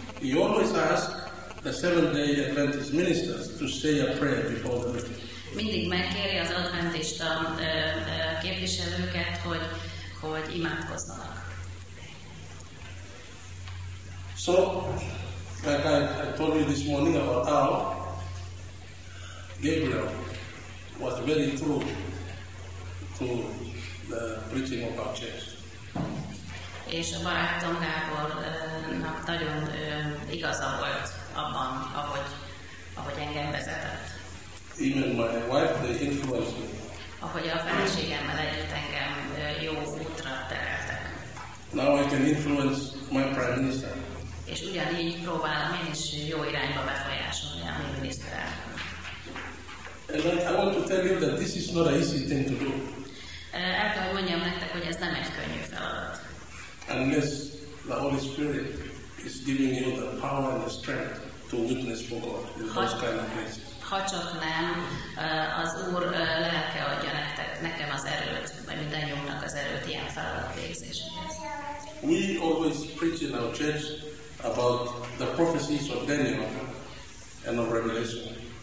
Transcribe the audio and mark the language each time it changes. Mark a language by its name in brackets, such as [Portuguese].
[English] He always asks the Seventh-day Adventist ministers to say a prayer before the meeting. [Hungarian] Mindig megkéri az adventista képviselőket, hogy imádkoznak. [English] So, like I told you this morning about how Gabriel was very true to the preaching of our church. [Hungarian] És a barátom Gábornak nagyon igaza volt abban, ahogy engem vezetett. [English] Even my wife, they influenced me. [Hungarian] Ahogy a feleségemmel együtt engem jó útra tereltek. [English] Now I can influence my prime minister. [Hungarian] És ugyanígy próbálom én is jó irányba befolyásolni a miniszterelnököt. [English] And I want to tell you that this is not an easy thing to do. [Hungarian] El kell, hogy mondjam nektek, hogy ez nem egy könnyű feladat. [English] Unless the Holy Spirit is giving you the power and the strength to witness for God in those kind of places. [Hungarian] Ha csak nem, az Úr lelke adja nekem az erőt, vagy minden jónak az erőt ilyen feladat végzéshez. [English] We always preach in our church about the prophecies of Daniel and of Revelation.